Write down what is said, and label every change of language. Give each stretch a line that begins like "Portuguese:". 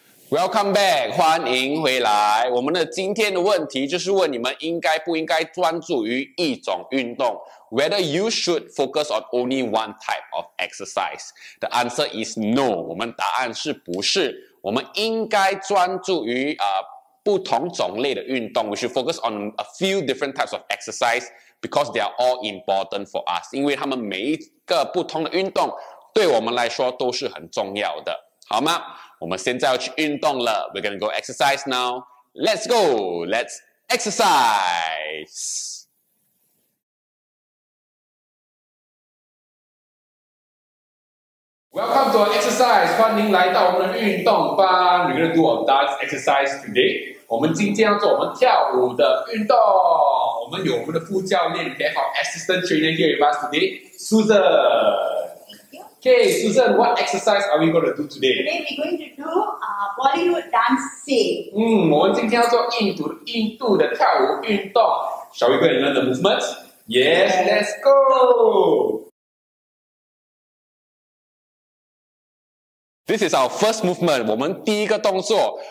English: Welcome back,
Chinese: 欢迎回来。我们的今天的问题就是问你们应该不应该专注于一种运动 ,
English: whether you should focus on only one type of exercise. The answer is no,
Chinese: 我们答案是不是。我们应该专注于不同种类的运动。
English: We should focus on a few different types of exercise because they are all important for us.
Chinese: 因为他们每一个不同的运动对我们来说都是很重要的。好吗？我们现在要去运动了。
English: We're gonna go exercise now. Let's go. Let's exercise. Welcome to our exercise.
Chinese: 欢迎来到我们的运动班。
English: We're gonna do our dance exercise today.
Chinese: 我们今天要做我们跳舞的运动。我们有我们的副教练
English: ，We have our assistant trainer here with us today, Susan. Okay, Susan, what exercise are we going to do today? Today, we're going to do Bollywood dancing.
Chinese: 我们今天要做印度的跳舞运动。
English: Shall we go and learn the movements? Yes, let's go! This is our first movement,
Chinese: 我们第一个动作。